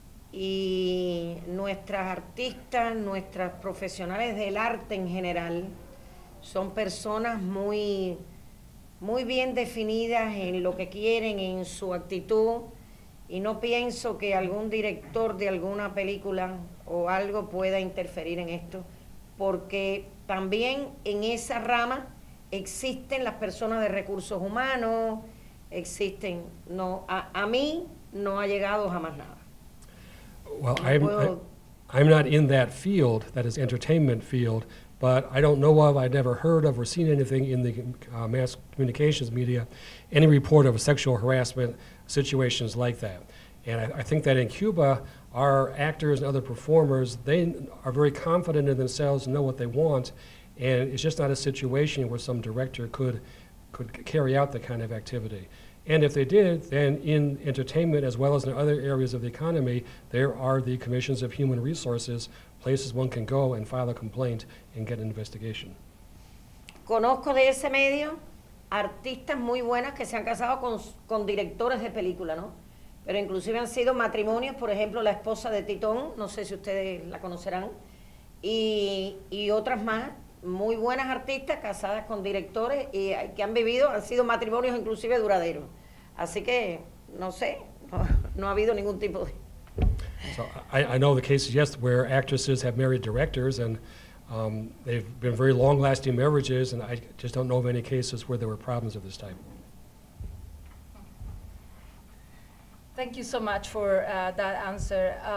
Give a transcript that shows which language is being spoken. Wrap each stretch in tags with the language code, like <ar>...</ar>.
<es>Y nuestras artistas, nuestras profesionales del arte en general, son personas muy, muy bien definidas en lo que quieren, en su actitud, y no pienso que algún director de alguna película o algo pueda interferir en esto, porque también en esa rama existen las personas de recursos humanos, existen, no, a mí no ha llegado jamás nada.</es> <en>Well, I'm not in that field, that is entertainment field, but I don't know of, I've never heard of or seen anything in the mass communications media, any report of sexual harassment situations like that. And I think that in Cuba, our actors and other performers, they are very confident in themselves and know what they want, and it's just not a situation where some director could carry out the kind of activity. And if they did, then in entertainment, as well as in other areas of the economy, there are the commissions of human resources, places one can go and file a complaint and get an investigation.</en> <es>Conozco de ese medio artistas muy buenas que se han casado con directores de película, ¿no? Pero inclusive han sido matrimonios, por ejemplo, la esposa de Titón, no sé si ustedes la conocerán, y otras más. Muy buenas artistas casadas con directores y que han vivido, han sido matrimonios inclusive duraderos. Así que, no sé, no ha habido ningún tipo de...</es> <en>So I know the cases, yes, where actresses have married directors and they've been very long-lasting marriages, and I just don't know of any cases where there were problems of this type. Thank you so much for that answer.</en>